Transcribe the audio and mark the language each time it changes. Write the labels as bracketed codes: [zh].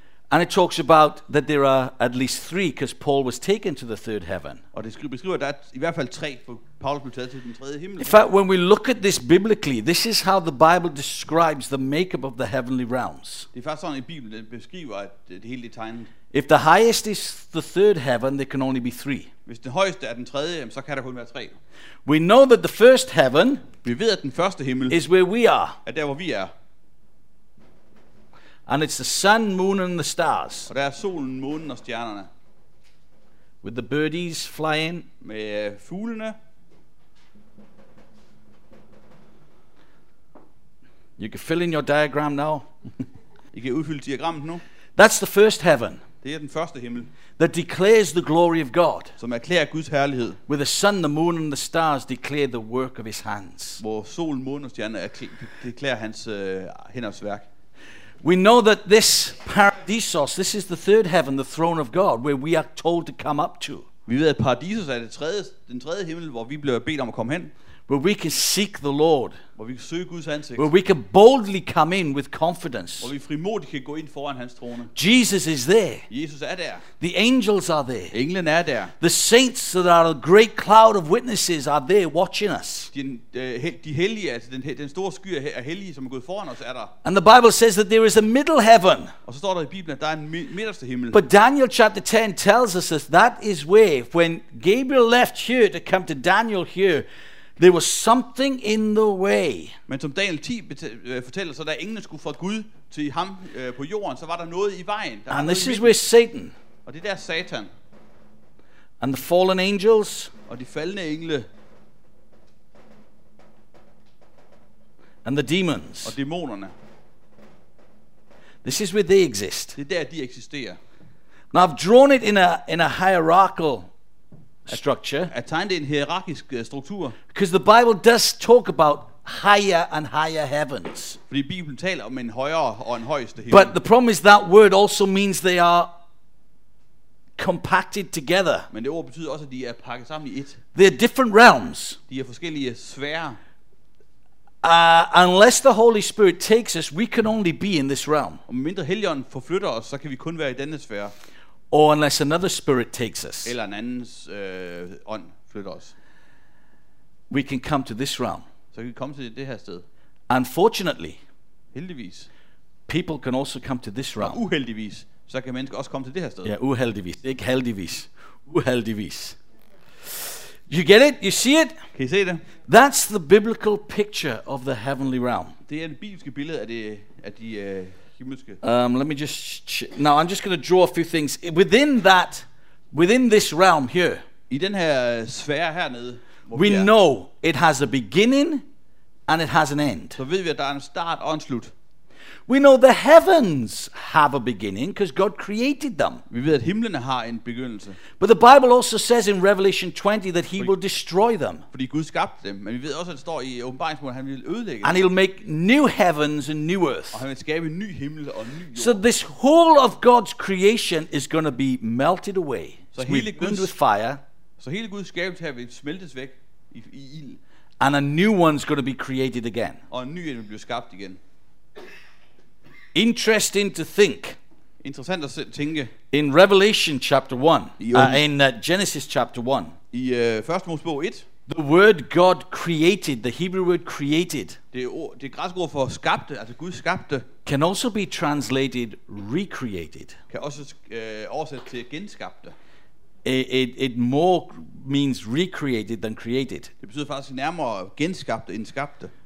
[en] And it talks about that there are at least three, because Paul was taken to the third heaven. [da] Og det beskriver at i hvert fald tre, for Paulus blev taget til den tredje himmel. [en] In fact, when we look at this biblically, this is how the Bible describes the makeup of the heavenly realms. [da] Det er faktisk sådan i Bibelen, det beskriver at det hele er tegnet. [en] If the highest is the third heaven, there can only be three. [da] Hvis den højeste er den tredje, så kan der kun være tre. [en] We know that the first heaven. [da] Vi ved at den første himmel. [en] Is where we are. [da] Er der hvor vi er. [en] And it's the sun, moon, and the stars. [da] Og der er solen, månen og stjernerne. [en] With the birdies flying. [da] Med fuglene. [en] You can fill in your diagram now. [da] I kan udfylde diagrammet nu. [en] That's the first heaven. [da] Det er den første himmel. [en] That declares the glory of God. [da] Som erklærer Guds herlighed. [en] With the sun, the moon, and the stars declare the work of His hands. [da] Hvor solen, månen og stjernerne erklærer hans hænders værk. [en] We know that this paradisos, this is the third heaven, the throne of God, where we are told to come up to. [da] Vi ved, at paradisos er den tredje himmel, hvor vi bliver bedt om at komme hen. [en] Where we can seek the Lord. [da] Hvor vi kan søge Guds ansigt. [en] Where we can boldly come in with confidence. [da] Hvor vi frimodigt kan gå ind foran hans trone. [en] Jesus is there. [da] Jesus er der. [en] The angels are there. [da] Englen er der. [en] The saints that are a great cloud of witnesses are there watching us. [da] De hellige, altså den store sky af hellige, som er gået foran os, er der. [en] And the Bible says that there is a middle heaven. [da] Og så står der i Bibelen, at der er en midterste himmel. [en] But Daniel chapter 10 tells us that is where, when Gabriel left here to come to Daniel here, there was something in the way. [da] Men som Daniel 10 fortæller, så da englen skulle fra Gud til ham på jorden, så var der noget i vejen. Der [en] and this is where Satan. [da] Og det der Satan. [en] And the fallen angels. [da] Og de faldne engle. [en] And the demons. [da] Og dæmonerne. [en] This is where they exist. [da] Det er der de eksisterer. [en] Now I've drawn it in a hierarchical structure. [da] At tegne det en hierarkisk struktur. [en] Because the Bible does talk about higher and higher heavens. [da] Fordi Bibelen taler om en højere og en højeste himmel. [en] But the problem is that word also means they are compacted together. [da] Men det ord betyder også, at de er pakket sammen i ét. [en] They are different realms. [da] De er forskellige sfærer. [en] Unless the Holy Spirit takes us, we can only be in this realm. [da] Og mindre Helligånden forflytter os, så kan vi kun være i denne sfære. [en] Or unless another spirit takes us, [da] eller en andens ånd flytter os, [en] we can come to this realm. [da] Så kan vi komme til det her sted. [en] Unfortunately, [da] heldigvis, [en] people can also come to this realm. [da] Uheldigvis, så kan mennesker også komme til det her sted. Ja, uheldigvis, ikke heldigvis, uheldigvis. [en] You get it? You see it? [da] Kan I se det? [en] That's the biblical picture of the heavenly realm. [da] Det er det bibelske billede af det, at de [en] Let me just now. I'm just going to draw a few things within this realm here. [da] I den her sfære hernede, [en] we know it has a beginning and it has an end. [da] Så ved vi, at der er en start og en slut. [en] We know the heavens have a beginning because God created them. [da] Vi ved, at himlene har en begyndelse. [en] But the Bible also says in Revelation 20 that he will destroy them. [da] Fordi Gud skabte dem, men vi ved også, at det står i Åbenbaringsbogen, han vil ødelægge dem. [en] And he'll make new heavens and new earth. [da] Og han vil skabe en ny himmel og en ny jord. [en] So this whole of God's creation is going to be melted away. [da] Så hele Guds [en] with fire. [da] Så hele Guds skabelse her vil smeltes væk i ild. [en] And a new one's going to be created again. [da] Og en ny en vil blive skabt igen. [en] Interesting to think. [da] Interessant at tænke. [en] In Revelation chapter 1, Genesis chapter 1. [da] I første Mosebog 1. [en] The word God created, the Hebrew word created. [da] Det græske ord for skabte, altså Gud skabte. [en] Can also be translated recreated. [da] Kan også oversættes til genskabte. [en] It more means recreated than created. [da] Det betyder faktisk nærmere genskabte end skabte.